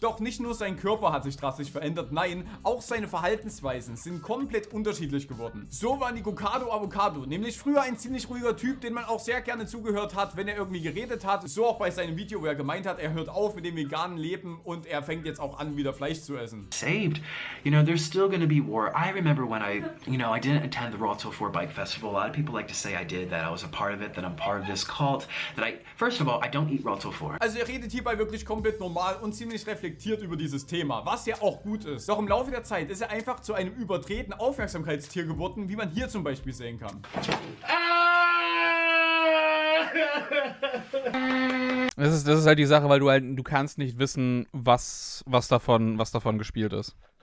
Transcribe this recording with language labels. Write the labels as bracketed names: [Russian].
[German] Doch nicht nur sein Körper hat sich drastisch verändert, nein, auch seine Verhaltensweisen sind komplett unterschiedlich geworden. So war Nico Kato Avocado, nämlich früher ein ziemlich ruhiger Typ, den man auch sehr gerne zugehört hat, wenn er irgendwie geredet hat. So auch bei seinem Video, wo er gemeint hat, er hört auf mit dem veganen Leben und er fängt jetzt auch an, wieder Fleisch zu essen. [English] Saved. You know, there's still gonna be war. I remember when I, you know, I didn't attend the Raw Till 4 Bike Festival. A lot of people like to say I did, that I was a part of it, that I'm part of this cult, that I, first of all, I don't eat Raw Till 4. [German] Also er redet hierbei wirklich komplett normal und ziemlich reflektiert über dieses Thema, was ja auch gut ist. Doch im Laufe der Zeit ist er einfach zu einem überdrehten Aufmerksamkeitstier geworden, wie man hier zum Beispiel sehen kann. Das ist halt die Sache, weil du kannst nicht wissen, was davon gespielt ist.